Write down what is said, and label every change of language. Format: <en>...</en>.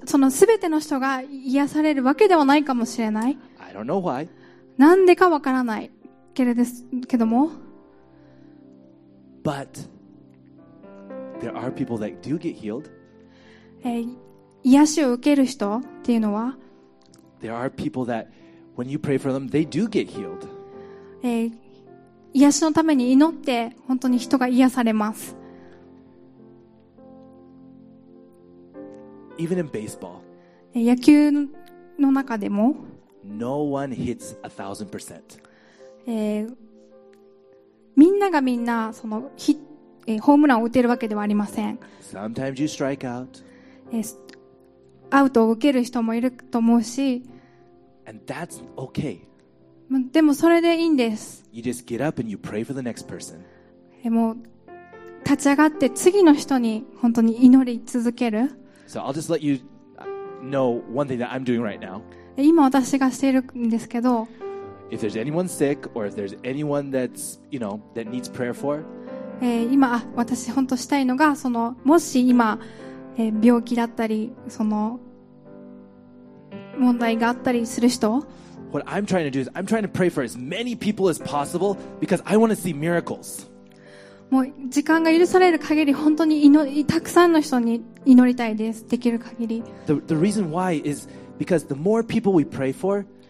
<ja>全ての人が癒されるわけではないかもしれない。</ja> <en>I don't know why.</en> <ja>なんでかわからないけども。</ja> <en>But there are people that do get healed.</en> <ja>癒しを受ける人っていうのは。</ja> <en>There are people that, when you pray for them, they do get healed.</en> <ja>癒しのために祈って本当に人が癒されます。</ja> <en>Even in baseball,</en> <ja>野球の中でも、</ja> <en>no one hits 1000%.</en> <ja>みんながみんなそのホームランを打てるわけではありません。</ja> <en>Sometimes you strike out.</en> <ja>アウトを受ける人もいると思うし。</ja> <en>And that's okay.</en> <ja>でもそれでいいんです。</ja> <en>You just get up and you pray for the next person.</en> <ja>もう立ち上がって次の人に本当に祈り続ける。</ja> <en>So I'll just let you know one thing that I'm doing right now.</en> <ja>今私がしているんですけど。</ja> <en>If there's anyone sick or if there's anyone that's, you know, that needs prayer for.</en> <ja>今私本当したいのがそのもし今病気だったりその。問題があったりする人?</ja> <en>What I'm trying to do is I'm trying to pray for as many people as possible because I want to see miracles.</en> <ja>もう時間が許される限り本当に祈りたくさんの人に祈りたいです。できる限り。</ja> <en>The reason why is because the more people we pray for,</en>